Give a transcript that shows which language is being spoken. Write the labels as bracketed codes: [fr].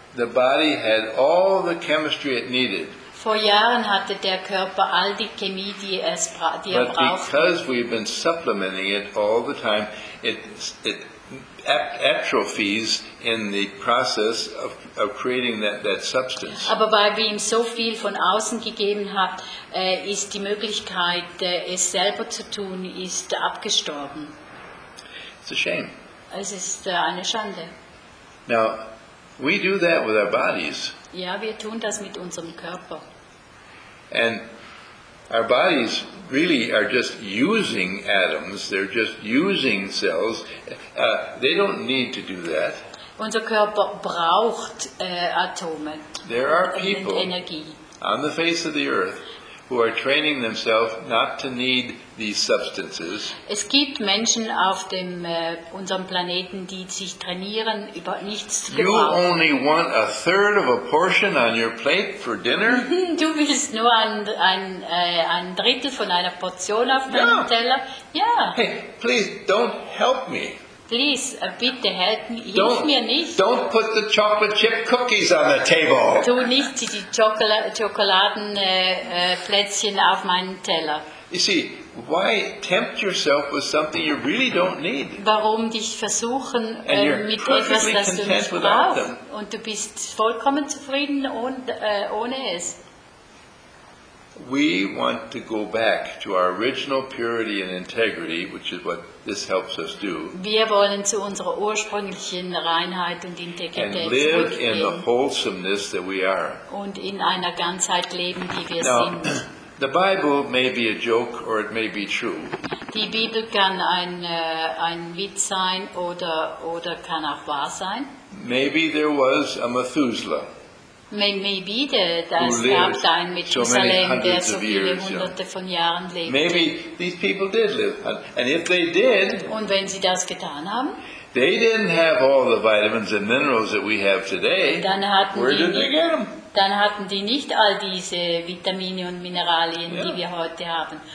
[en] the body had all the chemistry it needed. [de] Vor Jahren hatte der Körper all die Chemie, die er braucht. [en] But because we've been supplementing it all the time, it atrophies in the process of creating that substance. [de] Aber weil wir ihm so viel von außen gegeben haben, ist die Möglichkeit, es selber zu tun, ist abgestorben. [en] It's a shame. [de] Es ist eine Schande. [en] Now, we do that with our bodies. [de] Ja, wir tun das mit unserem Körper. [en] And our bodies really are just using atoms. They're just using cells. They don't need to do that. [de] Unser Körper braucht Atome. [en] There are people [de] Energie. [en] On the face of the earth who are training themselves not to need these substances. [de] Es gibt Menschen auf dem unserem Planeten, die sich trainieren, über nichts zu brauchen. [en] You only want a third of a portion on your plate for dinner? [de] Du willst nur ein Drittel von einer Portion auf deinem [en] yeah. [de] Teller? Ja. [en] Yeah. Hey, please don't help me. Please, [de] bitte [en] help me. [de] Hilf mir nicht. [en] Don't put the chocolate chip cookies on the table. [de] Tu nicht die Schokoladenplätzchen auf meinen Teller. [en] You see, why tempt yourself with something you really don't need? [de] Warum dich versuchen mit etwas, das du nicht brauchst? Und du bist vollkommen zufrieden ohne es. [en] We want to go back to our original purity and integrity, which is what this helps us do. [de] Wir wollen zu unserer ursprünglichen Reinheit und Integrität zurückgehen. [en] And live in the wholesomeness that we are. [de] Und in einer Ganzheit leben, die wir [en] now, [de] sind. [en] The Bible may be a joke or it may be true. [de] Die Bibel kann ein Witz sein oder kann auch wahr sein. [en] Maybe there was a Methuselah. Maybe [de] es gab da einen Methuselah, der so viele hunderte von Jahren lebte. [en] Maybe these people did live. And if they did, [de] und wenn sie das getan haben, [en] they didn't have all the vitamins and minerals that we have today. Where did they get them? [de] Dann hatten die nicht all diese Vitamine und Mineralien, [en] yeah. [de] die wir heute haben.